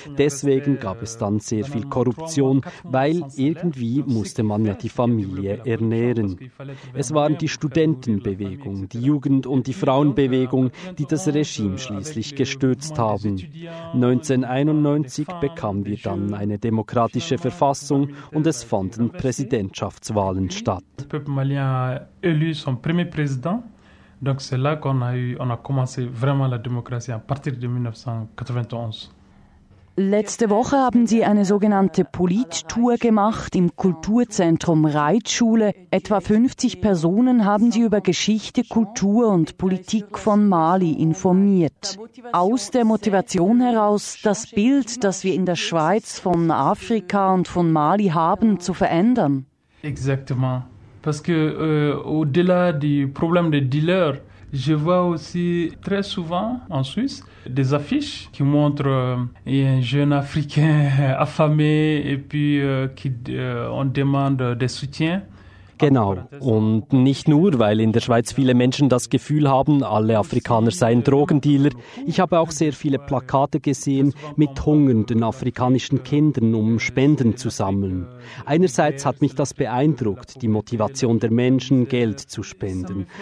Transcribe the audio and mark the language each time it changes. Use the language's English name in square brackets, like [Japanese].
[German] Deswegen gab es dann sehr viel Korruption, weil irgendwie musste man ja die Familie ernähren. Es waren die Studentenbewegung, die Jugend- und die Frauenbewegung, die das Regime schließlich gestürzt haben. 1991 bekamen wir dann eine demokratische Verfassung und es fanden Präsidentschaftswahlen statt. [French] Le peuple malien a élu son premier président. Donc c'est là qu'on a eu, on a commencé vraiment la démocratie à partir de 1991. [German] Letzte Woche haben Sie eine sogenannte Polit-Tour gemacht im Kulturzentrum Reitschule. Etwa 50 Personen haben Sie über Geschichte, Kultur und Politik von Mali informiert. Aus der Motivation heraus, das Bild, das wir in der Schweiz von Afrika und von Mali haben, zu verändern. [French] Exactement. Parce que au-delà du problème des dealers, je vois aussi très souvent en Suisse des affiches qui montrent un jeune Africain affamé et puis qui on demande des soutiens. [German] Genau. Und nicht nur, weil in der Schweiz viele Menschen das Gefühl haben, alle Afrikaner seien Drogendealer. Ich habe auch sehr viele Plakate gesehen mit hungernden afrikanischen Kindern, um Spenden zu sammeln. Einerseits hat mich das beeindruckt, die Motivation der Menschen, Geld zu spenden.